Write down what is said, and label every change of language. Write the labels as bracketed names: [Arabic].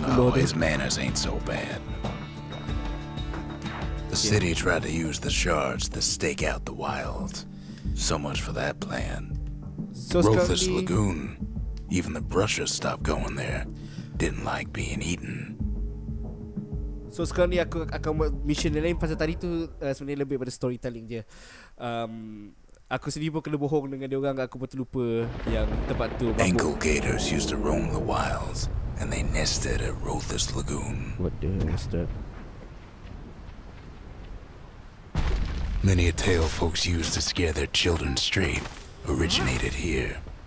[English] tu. His manners ain't so bad. The city tried to use the shards to stake out the wilds. So much for that plan. So growth scary. This lagoon. Even the brushers stopped going there. Didn't like being eaten. [Malay] So sekarang ni aku akan buat mission lain. Pasal tadi tu sebenarnya lebih pada storytelling je. Aku sendiri pun kena bohong dengan dia orang. Aku pun terlupa yang tempat tu. [English] Ankle gators used to roam the wilds, and they nested at Rothus Lagoon. What the hell is that? Many a tale folks used to scare their children straight originated here.